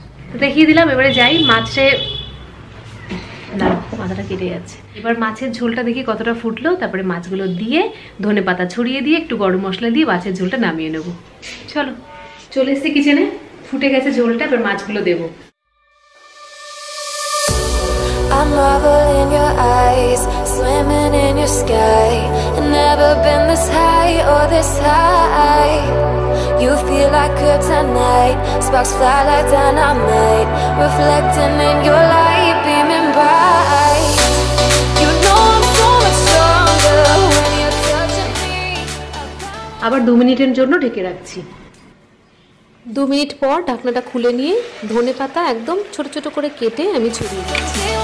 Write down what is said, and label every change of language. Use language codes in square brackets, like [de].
[bn] তো দেখিয়ে দিলাম, এবারে যাই মাছে, না মাথাটা কেটে যাচ্ছে, এবার মাছের ঝোলটা দেখি কতটা ফুটলো, তারপরে মাছগুলো দিয়ে ধনে পাতা ছড়িয়ে দিয়ে একটু গরম মশলা দিয়ে মাছের ঝোলটা নামিয়ে নেবো। চলো চলে এসেছি কিচেনে, ফুটে গেছে ঝোলটা, এবার মাছগুলো দেবো। [en] I'm marveling your eyes, swimming in your sky. Never been this high or this high. You feel like kryptonite, sparks fly like dynamite, reflecting in your light, beaming bright. You know I'm so much stronger when you're touching me. [bn] আবার 2 মিনিটের জন্য ঢেকে রাখছি। 2 minute পর ঢাকনাটা খুলে নিয়ে ধনে পাতা একদম ছোট ছোট করে কেটে আমি ছড়িয়ে দিচ্ছি।